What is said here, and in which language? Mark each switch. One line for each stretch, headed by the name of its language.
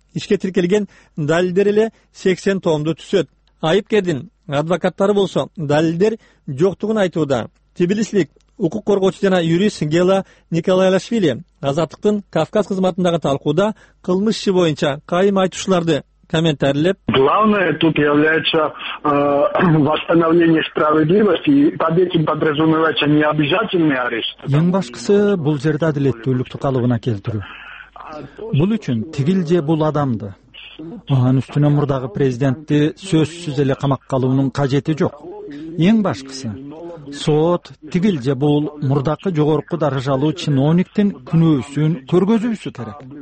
Kyrgyz: Ишке тиркелген далилдер эле 80 томду түзөт. Айыпкердин адвокаттары болсо далилдер жоктугун айтууда. Тбилислик укук коргоочу жана юрист Гела Николаевашвили Азаттыктын Кавказ кызматындагы талкууда кылмыш иши боюнча кайым айтуучуларды комментарийлеп:
Russian: Главное тут является восстановление справедливости, под этим подразумевается не обязательный арест.
Kyrgyz: Эң башкысы бул жерде адилеттүүлүктү калыбына келтирүү. Бул үчүн тигил же бул адамды, анын үстүнө мурдагы президентти сөзсүз эле камакка алуунун кажети жок. Эң башкысы сот тигил же бул мурдакы жогорку даражалуу чиновниктин күнөөсүн көргөзүүсү керек.